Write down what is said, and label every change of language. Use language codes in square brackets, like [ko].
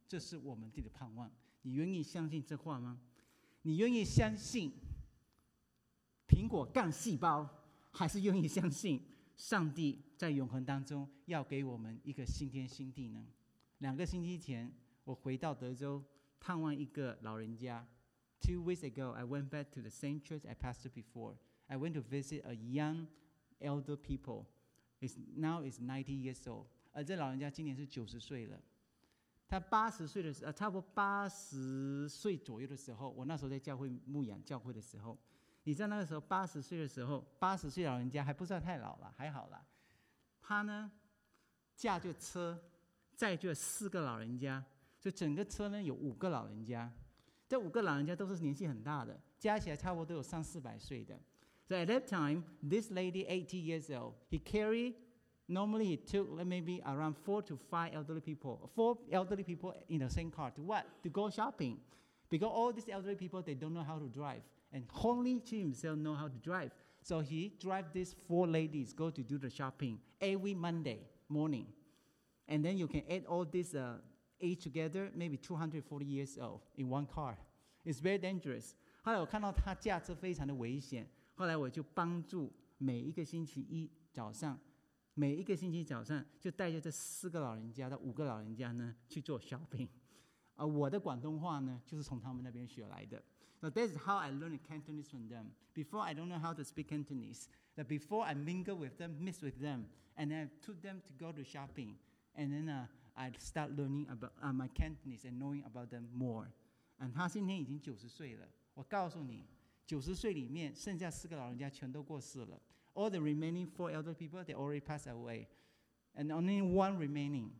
[zh] 这是我们自己的盼望。你愿意相信这话吗？你愿意相信苹果干细胞，还是愿意相信上帝在永恒当中要给我们一个新天新地呢？两个星期前我回到德州探望一个老人家。 [en] Two weeks ago I went back to the same church I pastored before. I went to visit a young elder people. Now is 90 years old. [zh] 而这老人家今年是90岁了。他80岁的时候，差不多80岁左右的时候，我那时候在教会牧养教会的时候，你知道那个时候80岁的时候，80岁老人家还不算太老了，还好了。他呢驾着车载着四个老人家，所以整个车呢有五个老人家。这五个老人家都是年纪很大的，加起来差不多都有三四百岁的。 [en] So at that time this lady 80 years old, he carried, normally he took maybe around 4 to 5 elderly people, 4 elderly people in the same car to what? To go shopping, because all these elderly people they don't know how to driveAnd only he himself know how to drive. So he drive these 4 ladies go to do the shopping every Monday morning. And then you can add all this age together, maybe 240 years old in one car. It's very dangerous. [zh] 后来我看到他驾车非常的危险，后来我就帮助每一个星期一早上，每一个星期早上就带着这四个老人家到五个老人家呢去做 shopping。我的广东话呢就是从他们那边学来的。 [en] So that's how I learned Cantonese from them. Before I don't know how to speak Cantonese, that before I mingle with them, mix with them, and then I took them to go to shopping, and then I start learning about my Cantonese and knowing about them more. And [zh] 他今天已经九十岁了。我告诉你，九十岁里面剩下四个老人家全都过世了。 [en] All the remaining four elder people they already passed away, and only one remaining.